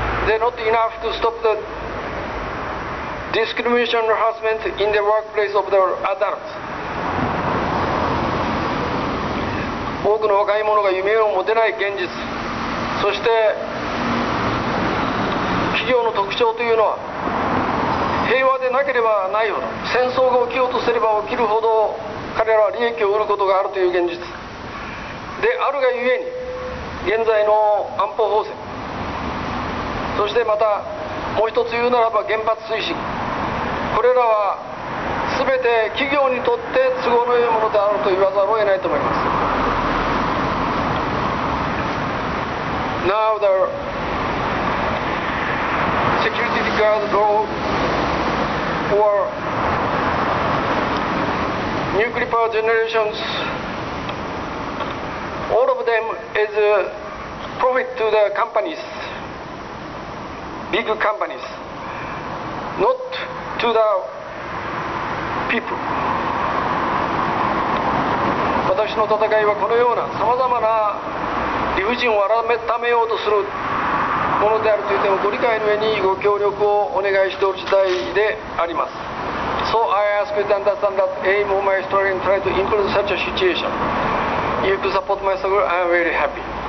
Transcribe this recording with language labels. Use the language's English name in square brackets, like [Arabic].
[English] They're not enough to stop the discrimination and harassment in the workplace of their adults. [Japanese] 多くの若い者が夢を持てない現実、そして企業の特徴というのは平和でなければないほど、戦争が起きようとすれば起きるほど彼らは利益を得ることがあるという現実であるがゆえに、現在の安保法制、そしてまたもう一つ言うならば原発推進、これらは全て企業にとって都合のいいものであると言わざるを得ないと思います。 [English] Now the security guard law for nuclear power generationsAll of them is a profit to the companies, big companies, not to the people. [Japanese] 私の戦いはこのようなさまざまな理不尽をあらためようとするものであるといってもご理解の上にご協力をお願いしておる時代であります。 [English] So I ask you to understand that aim of my story and try to improve such a situation. You can support my soul, I'm very happy.